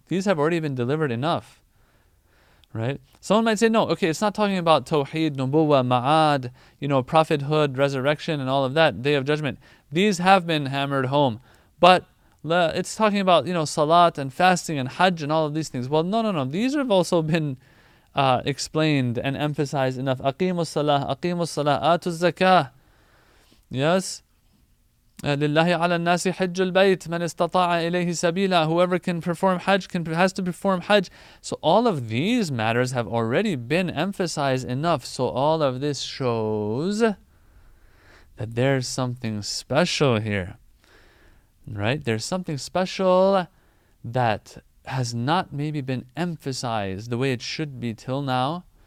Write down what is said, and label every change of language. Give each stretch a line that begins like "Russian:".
English: These have already been delivered enough. Right? Someone might say, no, okay, it's not talking about Tawheed, Nubuwa, Ma'ad, prophethood, resurrection, and all of that, Day of Judgment. These have been hammered home. But it's talking about, Salat and fasting and Hajj and all of these things. Well, no. These have also been explained and emphasized enough.
Arabic: Aqimus Salah, Aqimus Salah, Atuz Zakah.
English: Yes?
Arabic: لله على الناس حج البيت من استطاع إليه سبيلا.
English: Whoever can perform Hajj has to perform Hajj. So all of these matters have already been emphasized enough. So all of this shows that there's something special here, right? There's something special that has not maybe been emphasized the way it should be till now.